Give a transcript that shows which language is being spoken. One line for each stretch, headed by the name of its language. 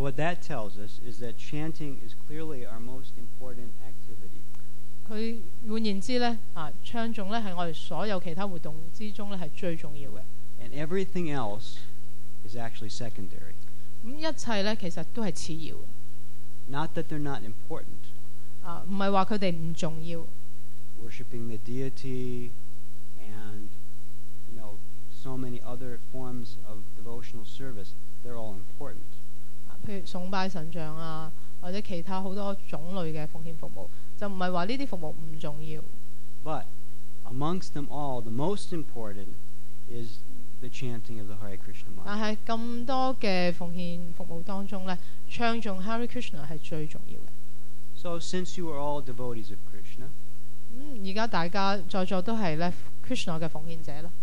English: what that tells us is that chanting is clearly our most important activity.
Cantonese: 佢換言之咧，唱誦咧係我哋所有其他活動之中咧係最重要嘅。
English: And everything else is actually secondary.
Cantonese: 一切咧其實都係次要。
English: Not that they're not important.
Cantonese: 唔係話佢哋唔重要。
English: Worshipping the deity and you know so many other forms of devotional service, they're all important.
Cantonese: 譬如崇拜神像啊。或者其他好多种类嘅奉献服务，就唔系话呢啲服务唔重要。
English: But amongst them all, the most important is the chanting of the Hare Krishna mantra.
Cantonese: 但系咁多嘅奉献服务当中咧，唱诵 Hare Krishna 系最重要嘅。
English: So since you are all devotees of Krishna,
Cantonese: 而家大家在座都系咧 Krishna 嘅奉献者啦。